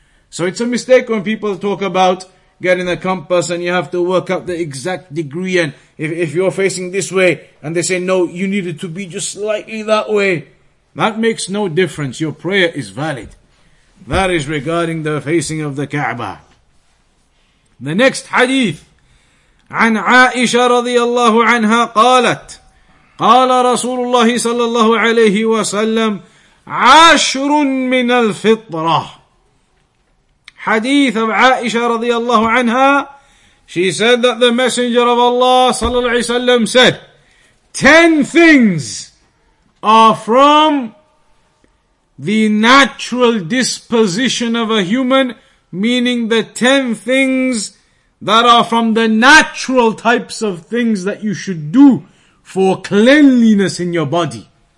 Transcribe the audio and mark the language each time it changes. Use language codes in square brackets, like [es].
[en] So it's a mistake when people talk about getting a compass and you have to work out the exact degree, and if you're facing this way and they say, no, you need it to be just slightly that way. That makes no difference. Your prayer is valid. That is regarding the facing of the Kaaba. The next hadith. [ar] عن عائشة رضي الله عنها قالت قال رسول الله صلى الله عليه وسلم عشر من الفطرة. [en] Hadith of Aisha radiallahu anha, she said that the Messenger of Allah sallallahu alayhi wa sallam said, 10 things are from the natural disposition of a human, meaning the 10 things that are from the natural types of things that you should do for cleanliness in your body.